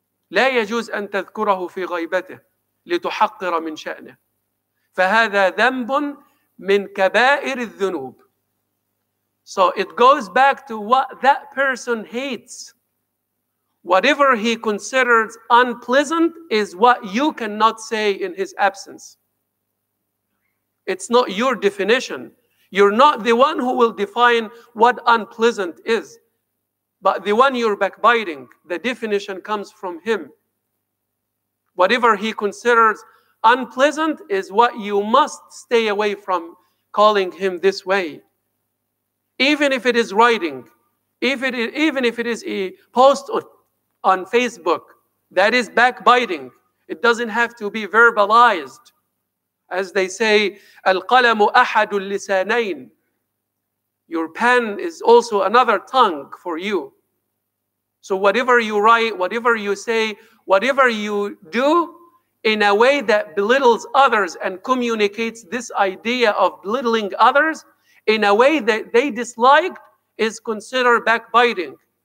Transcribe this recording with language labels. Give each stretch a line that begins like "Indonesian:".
Arabic: لا يجوز أن تذكره في غيبته لتحقر من شأنه. فهذا ذنب من كبائر الذنوب.
English: So it goes back to what that person hates. Whatever he considers unpleasant is what you cannot say in his absence. It's not your definition. You're not the one who will define what unpleasant is, but the one you're backbiting, the definition comes from him. Whatever he considers unpleasant is what you must stay away from calling him this way. Even if it is writing, even if it is a post on Facebook, that is backbiting. It doesn't have to be verbalized. As they say,
Arabic: القلم أحد اللسانين.
English: Your pen is also another tongue for you. So whatever you write, whatever you say, whatever you do, in a way that belittles others and communicates this idea of belittling others, in a way that they dislike, is considered backbiting.